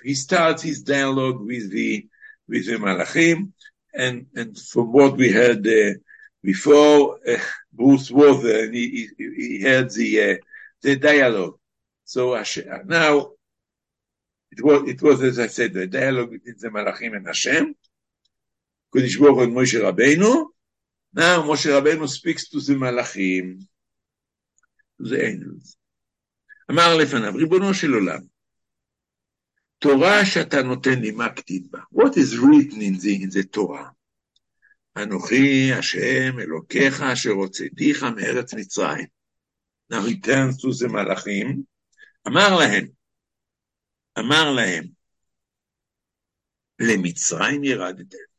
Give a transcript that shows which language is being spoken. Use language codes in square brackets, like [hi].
[en] He starts his dialogue with the Malachim, and from what we heard before, Bruce was there and he heard the dialogue. So now it was as I said, the dialogue between the Malachim and Hashem. Kodesh Baruch Hu and Moshe Rabbeinu. Now Moshe Rabbeinu speaks to the Malachim. The angels. [he] אמר לפניו, ריבונו של עולם, תורה שאתה נותן לי, מה כתיב בה? [en] What is written in the Torah? [he] אנוכי השם אלוקיך אשר הוצאתיך מארץ מצרים. [en] Now he turns to the מלאכים, [he] אמר להם, למצרים ירדתם?